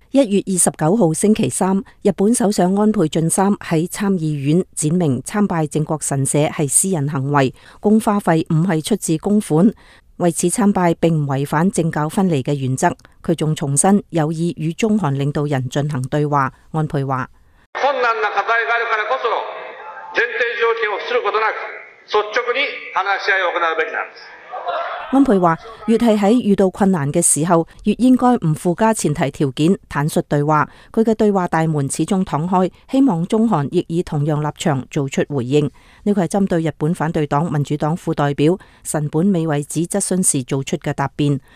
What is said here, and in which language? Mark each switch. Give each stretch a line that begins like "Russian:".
Chinese: 1月29日星期三，日本首相安倍晋三在参议院展明参拜靖国神社是私人行为，供花费不是出自公款，为此参拜并不违反政教分离的原则。他还重申有意与中韩领导人进行对话。安倍说，
Japanese: 困难な課題があるからこそ前提条件をすることなく率直に話し合いを行うべきなんです。
Chinese: 安倍说，越是在遇到困难的时候，越应该不附加前提条件，坦率对话。他的对话大门始终敞开，希望中韩亦以同样立场做出回应。这是针对日本反对党民主党副代表神本美惠子质询时做出的答辩。